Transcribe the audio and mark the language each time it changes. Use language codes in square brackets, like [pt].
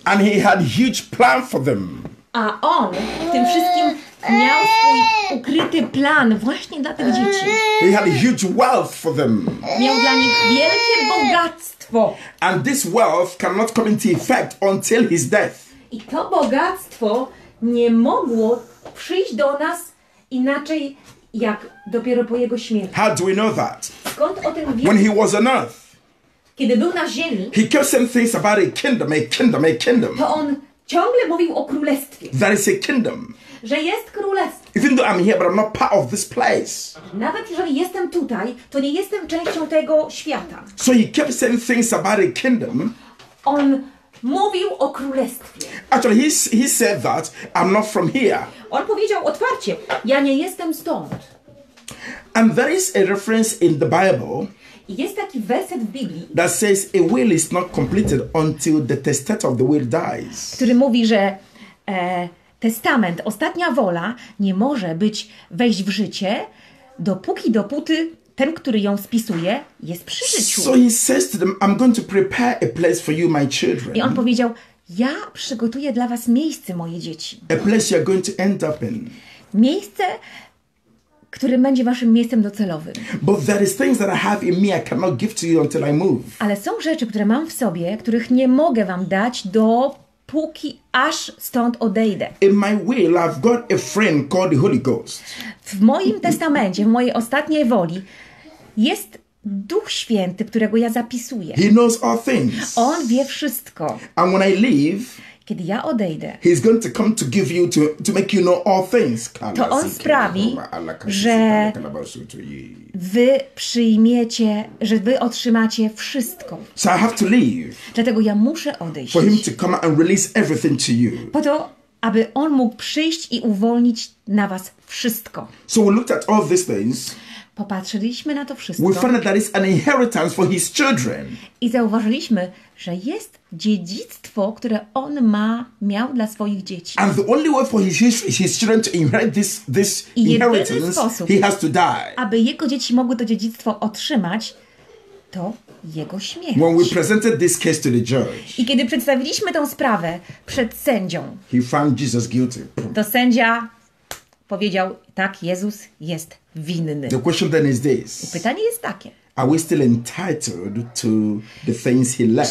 [en] And he had huge plan for them. [pl] A on w tym wszystkim miał swój ukryty plan właśnie dla tych dzieci. [en] He had huge wealth for them. [pl] Miał dla nich wielkie bogactwo. [en] And this wealth cannot come into effect until his death. [pl] I to bogactwo nie mogło przyjść do nas inaczej jak dopiero po jego śmierci. [en] How do we know that? [pl] Skąd o tym wiemy? [en] When he was on earth. [pl] Kiedy był na ziemi. [en] He kept saying things about a kingdom. [pl] To on ciągle mówił o królestwie. [en] That is a kingdom. [pl] Że jest królestwo. [en] Even though I'm here, but I'm not part of this place. [pl] Nawet jeżeli jestem tutaj, to nie jestem częścią tego świata. [en] So he kept saying things about a kingdom. [pl] On mówił o królestwie. [en] Actually, he said that I'm not from here. [pl] On powiedział otwarcie, ja nie jestem stąd. [en] And there is a reference in the Bible. [pl] Jest taki werset w Biblii, [en] that says a will is not completed until the testator of the will dies. [pl] Który mówi, że testament, ostatnia wola, nie może być wejść w życie, dopóty ten, który ją spisuje, jest przy życiu. [en] So he says to them, I'm going to prepare a place for you, my children. [pl] I on powiedział, ja przygotuję dla was miejsce, moje dzieci. [en] A place you're going to end up in. [pl] Miejsce, które będzie waszym miejscem docelowym. [en] But there is things that I have in me I cannot give to you until I move. [pl] Ale są rzeczy, które mam w sobie, których nie mogę wam dać do póki aż stąd odejdę. [en] In my will, I've got a friend called the Holy Ghost. [pl] W moim testamencie, w mojej ostatniej woli, jest Duch Święty, którego ja zapisuję. [en] He knows all things. [pl] On wie wszystko. [en] And when I leave, [pl] kiedy ja odejdę, [en] he's going to come to give you to make you know all things. [pl] To on sprawi, że wy przyjmiecie, że wy otrzymacie wszystko. [en] So I have to leave. [pl] Dlatego ja muszę odejść. [en] For him to come and release everything to you. [pl] Po to, aby on mógł przyjść i uwolnić na was wszystko. [en] So we looked at all these things. [pl] Popatrzyliśmy na to wszystko. [en] We found that is an inheritance for his children. [pl] I zauważyliśmy, że jest dziedzictwo, które on miał dla swoich dzieci. [en] And the only way for his children to inherit this inheritance, [pl] sposób, [en] he has to die. [pl] Aby jego dzieci mogły to dziedzictwo otrzymać, to jego śmierć. [en] When we presented this case to the judge, [pl] i kiedy przedstawiliśmy tę sprawę przed sędzią, [en] he found Jesus guilty. [pl] To sędzia powiedział, tak, Jezus jest winny. [en] The question then is this. [pl] Pytanie jest takie. [en] Are we still entitled to the things he left?